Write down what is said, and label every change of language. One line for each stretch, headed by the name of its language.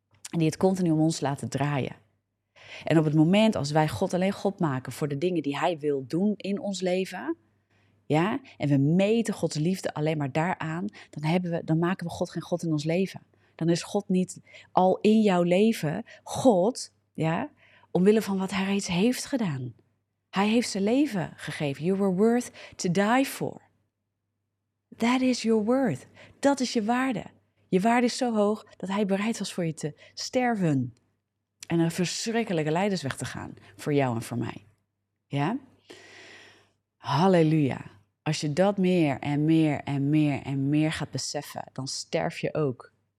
Dutch: En die het continu om ons laten draaien. En op het moment als wij God alleen God maken voor de dingen die hij wil doen in ons leven. Ja, en we meten Gods liefde alleen maar daaraan. Dan maken we God geen God in ons leven. Dan is God niet al in jouw leven God. Ja, omwille van wat hij reeds heeft gedaan. Hij heeft zijn leven gegeven.
English: You were worth to die for. That is your worth.
Dutch: Dat is je waarde. Je waarde is zo hoog dat hij bereid was voor je te sterven. En een verschrikkelijke lijdensweg te gaan voor jou en voor mij. Ja? Halleluja. Als je dat meer en meer en meer en meer gaat beseffen, dan sterf je ook.